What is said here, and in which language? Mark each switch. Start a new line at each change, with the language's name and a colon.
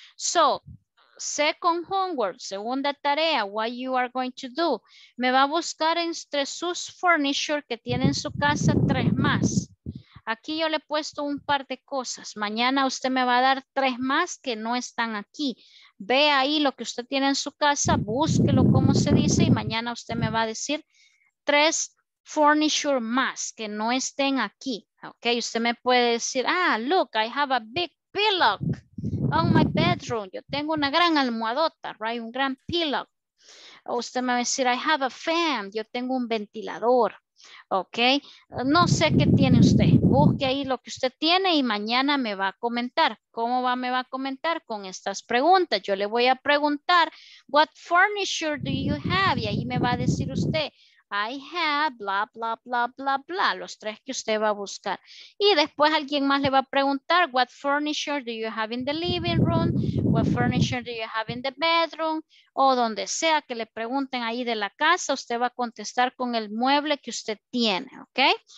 English: So, second homework, segunda tarea, what you are going to do.
Spanish: Me va a buscar entre sus furniture que tiene en su casa tres más. Aquí yo le he puesto un par de cosas. Mañana usted me va a dar tres más que no están aquí. Ve ahí lo que usted tiene en su casa, búsquelo como se dice y mañana usted me va a decir tres furniture más que no estén aquí. Ok, usted me puede decir, ah,
English: look, I have a big pillow on my bedroom.
Spanish: Yo tengo una gran almohadota, right? Un gran pillow. Usted me va a decir,
English: I have a fan.
Spanish: Yo tengo un ventilador. Ok, no sé qué tiene usted. Busque ahí lo que usted tiene y mañana me va a comentar. ¿Cómo va? Me va a comentar con estas preguntas. Yo le voy a preguntar,
English: what furniture do you have?
Spanish: Y ahí me va a decir usted,
English: I have blah, blah,
Spanish: blah, blah, blah, los tres que usted va a buscar. Y después alguien más le va a preguntar,
English: what furniture do you have in the living room? What furniture do you have in the bedroom?
Spanish: O donde sea que le pregunten ahí de la casa, usted va a contestar con el mueble que usted tiene, ¿ok?